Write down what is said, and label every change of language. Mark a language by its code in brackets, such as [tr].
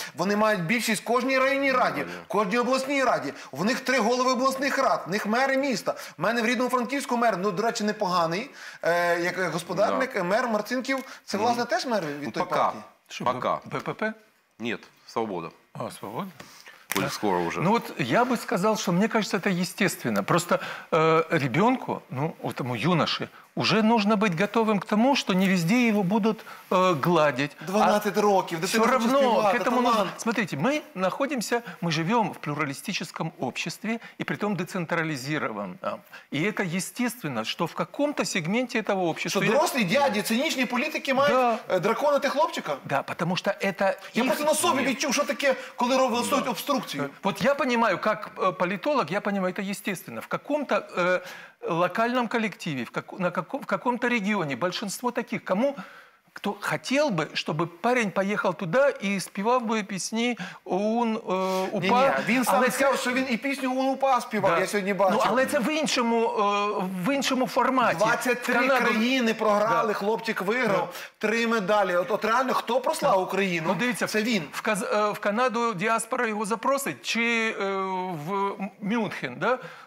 [uk] Вони мають більшість в кожній районній раді, в кожній обласній раді. В них 3 голови обласних рад, в них мери міста. У мене в рідному Франківську мер, ну, до речі, непоганий, як господарник, мер Марцинків. Це, власне, теж мер від тої партії? [ru] Пока. [uk] БПП? Ні, Свобода. А, Свобода? [ru] Будет скоро уже. Ну вот я бы сказал, что мне кажется, это естественно. Просто ребенку, этому юноше, уже нужно быть готовым к тому, что не везде его будут гладить. [uk] 12 років, да [ru] все равно к этому нужно. Смотрите, мы живем в плюралистическом обществе и притом децентрализированном. И это естественно, что в каком-то сегменте этого общества. Что взрослые дяди, циничные политики мают дракона ты хлопчика? Да, потому что это. [uk] Я просто на собі відчув, что таке, коли робили обструкцию. [ru] Вот я понимаю, как политолог, я понимаю, это естественно. В каком-то локальном коллективе, в каком-то регионе, большинство таких, кто хотел бы, чтобы парень поехал туда и спевал бы песни «Ун упа». [uk] Він сам сказав, що він і пісню «Ун упа» співав, я сьогодні бачив. Ну, але це в іншому форматі. 23 країни програли, хлопчик виграв, 3 медалі. От реально, хто прослав Україну? Дивіться, це він. В Канаду діаспора його запросить, чи в Мюнхен, да?